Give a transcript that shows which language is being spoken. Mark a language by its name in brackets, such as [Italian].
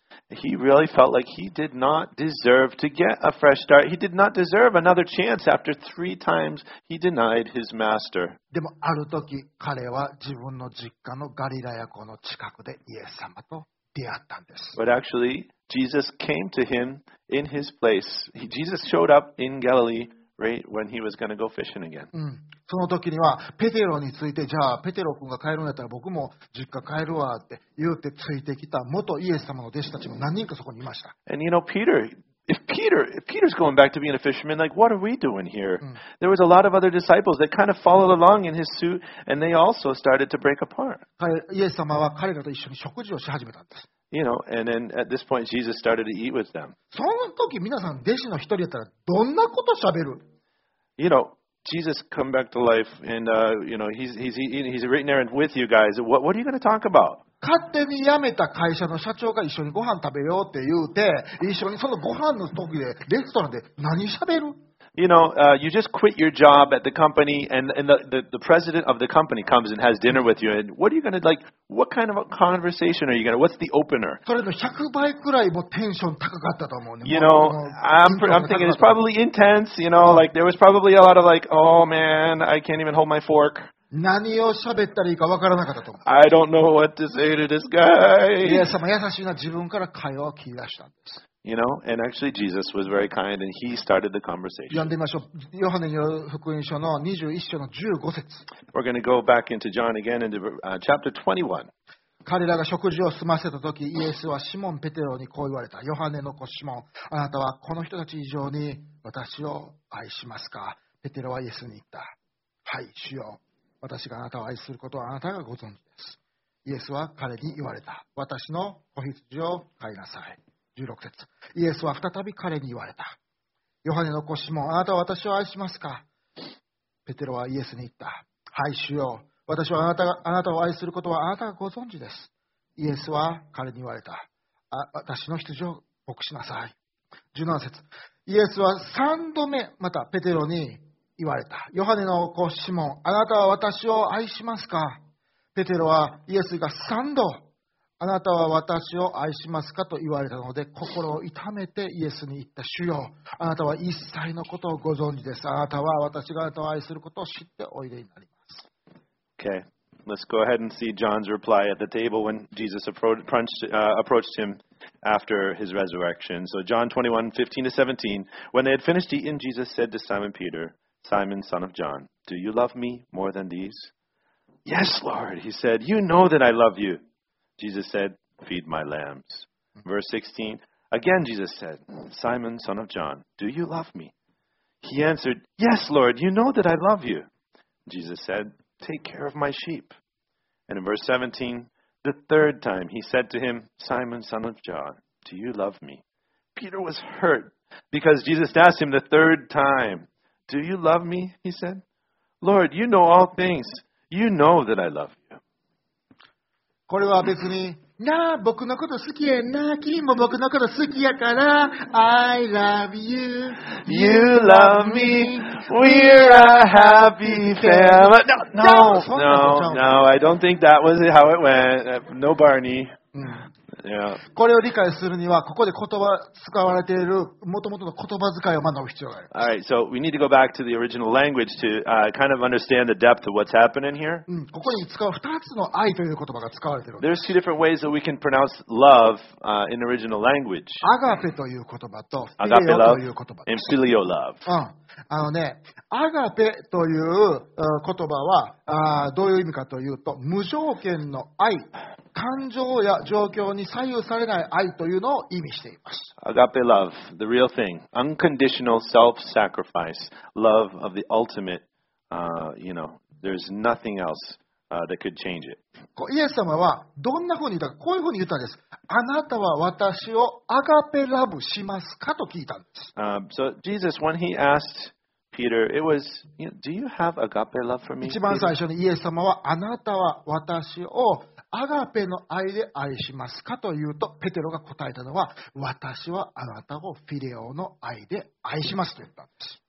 [English] He really felt like he did not deserve to get a fresh start. He did not deserve another chance after three times he denied his master. [Japanese] でもある時彼は自分の実家のガリラヤ湖の近くでイエス様と出会ったんです。 [English] But actually, Jesus came to him in his place. Jesus showed up in Galilee. Right when he was going to go fishing again. [Japanese] その時にはペテロについてじゃあペテロ君が帰るんだったら僕も実家帰るわって言ってついてきた元イエス様の弟子たちも何人かそこにいました。 [English] And you know, Peter, if Peter's going back to being a fisherman, like what are we doing here? There was a lot of other disciples that kind of followed along in his suit, and they also started to break apart. [Japanese] イエス様は彼らと一緒に食事をし始めたんです。 [English] You know, and then at this point, Jesus started to eat with them. [Japanese] その時皆さん弟子の一人だったらどんなこと喋る？ [English] You know, Jesus come back to life, and you know, he's right there with you guys. What are you going to talk about? [Japanese] 勝手に辞めた会社の社長が一緒にご飯食べようって言うて、一緒にそのご飯の時でレストランで何喋る？ [English] You know, you just quit your job at the company and the president of the company comes and has dinner with you. And what are you going to, like, what kind of a conversation are you going to, what's the opener? [Japanese] それの100倍くらいもテンション高かったと思うね。 [English] You know, I'm thinking it's probably intense, you know, like there was probably a lot of like, oh man, I can't even hold my fork. [Japanese] 何を喋ったらいいかわからなかったと思う。 [English] I don't know what to say to this guy. [Japanese] イエス様優しいな自分から会話を切り出したんです。 [English] You know, and actually Jesus was very kind and he started the conversation. [Japanese] 読んでみましょう。ヨハネによる福音書の21章の15節。 We're going to go back into John again into chapter 21. 彼らが食事を済ませた時、イエスはシモン・ペテロにこう言われた。ヨハネの子シモン、あなたはこの人たち以上に私を愛しますか？ペテロはイエスに言った。はい、主よ。私があなたを愛することはあなたがご存知です。イエスは彼に言われた。私の子羊を飼いなさい。16節。イエスは再び彼に言われた。ヨハネの子シモン、あなたは私を愛しますか？ペテロはイエスに言った。はい、主よ。私はあなたを愛することはあなたがご存知です。イエスは彼に言われた。私の羊を牧しなさい。17節。イエスは3度目、またペテロに言われた。ヨハネの子シモン、あなたは私を愛しますか？ペテロはイエスが三度、あなたは私を愛しますかと言われたので、心を痛めてイエスに言った。主よ、あなたは一切のことをご存知です。あなたは私があなたを愛することを知っておいでになります。 [English] Okay, let's go ahead and see John's reply at the table when Jesus approached him. After his resurrection. So John 21:15-17. When they had finished eating, Jesus said to Simon Peter, Simon, son of John, do you love me more than these? Yes, Lord, he said, you know that I love you. Jesus said, feed my lambs. Verse 16, again Jesus said, Simon, son of John, do you love me? He answered, yes, Lord, you know that I love you. Jesus said, take care of my sheep. And in verse 17,The third time he said to him, Simon, son of John, do you love me? Peter was hurt because Jesus asked him the third time, do you love me? He said, Lord, you know all things. You know that I love you. [Japanese] これは別になあ、僕のこと好きやな。君も僕のこと好きやから。 [English] I love you. You love me. We're a happy family. No, no, no, no. I don't think that was how it went. No Barney. Yeah. [Japanese] これを理解するにはここで言葉使われている元々の言葉遣いを学ぶ必要がある。 [English] All right, so we need to go back to the original language to、kind of understand the depth of what's happening here. [Japanese] ここに使う2つの愛という言葉が使われている。 [English] There's two different ways that we can pronounce love、in original language. [Japanese] アガペという言葉とフィリオという言葉。 [English] And フィリオ love.、 [Japanese] あのね、アガペという言葉はどういう意味かというと無条件の愛、感情や状況に左右されない愛というのを意味しています。 [English] Agape love, the real thing, unconditional self-sacrifice, love of the ultimate, you know, there's nothing else, that could change it. [Japanese] イエス様はどんなふうに言ったか、こういうふうに言ったんです。あなたは私をアガペラブしますかと聞いたんです。 [English] So Jesus, when he asked Peter, it was, you know, do you have agape love for me? [Japanese] 一番最初にイエス様はあなたは私をアガペの愛で愛しますかというと、ペテロが答えたのは、私はあなたをフィレオの愛で愛しますと言ったんです。